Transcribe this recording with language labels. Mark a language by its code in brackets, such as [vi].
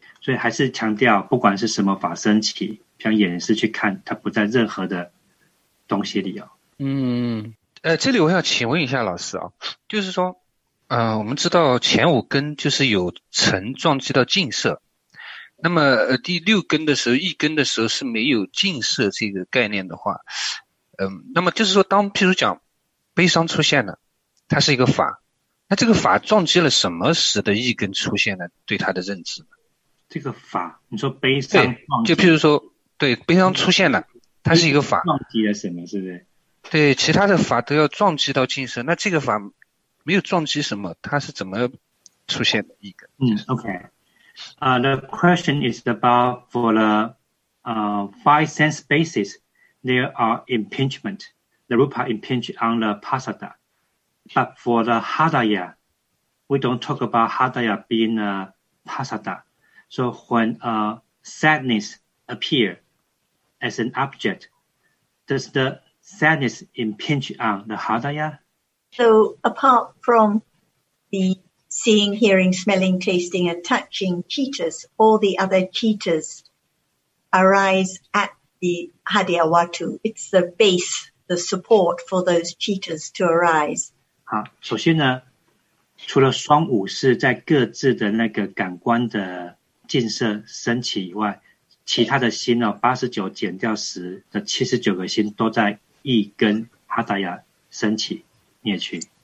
[zh] 所以还是强调，不管是什么法升起，像眼识去看，它不在任何的东西里哦。嗯，这里我想请问一下老师啊，就是说，我们知道前五根就是有尘撞击到净色。那么第六根的时候，一根的时候是没有净色这个概念的话，那么就是说当譬如讲悲伤出现了，它是一个法，那这个法撞击了什么时的一根出现了对它的认知呢？这个法你说悲伤撞击，就譬如说对悲伤出现了，它是一个法撞击了什么，是不是？对，其他的法都要撞击到净色，那这个法没有撞击什么，它是怎么出现的一根？ [en] OK。 The question is about for the five sense bases, there are impingement, the rupa impinge on the pasada. But for the hadaya, we don't talk about hadaya being a pasada. So when sadness appear as an object, does the sadness impinge on the hadaya? So apart from the seeing, hearing, smelling, tasting, and touching cheetahs, all the other cheetahs arise at the hadiyawatu. It's the base, the support for those cheetahs to arise. [zh] 好，首先呢，除了双五是在各自的那个感官的净色升起以外，其他的心呢，八十九减掉十的七十九个心都在一根哈达雅升起灭去。